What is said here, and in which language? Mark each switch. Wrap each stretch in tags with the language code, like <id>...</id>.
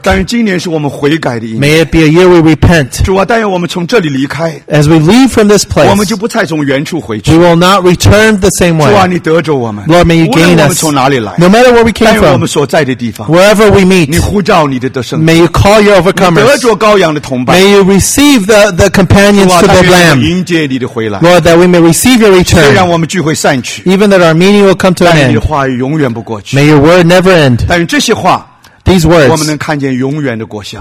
<zh>但愿今年是我们悔改的一年。</zh> <en>May it be a year we repent.</en> <zh>主啊，但愿我们从这里离开。</zh> <en>As we leave from this place,</en> <zh>我们就不再从原处回去。</zh> <en>We will not return the same way.</en> <zh>主啊，你得着我们。</zh> <en>Lord, may you gain us.</en> <zh>无论我们从哪里来。</zh> <en>No matter where we came from, wherever we meet,</en> <zh>你呼召你的得胜者,</zh> <en>may you call your overcomers,</en> <zh>你得着羔羊的同伴,</zh> <en>may you receive the companions to the Lamb,</en> <zh>迎接你的回来,</zh> <en>Lord, that we may receive your return,</en> <zh>虽然我们聚会散去,</zh> <en>even that our meeting will come to an end,</en> <zh>但你的话语永远不过去,</zh> <en>may your word never end,</en> <zh>但这些话,</zh> <en>these words,</en> <zh>我们能看见永远的果效,</zh>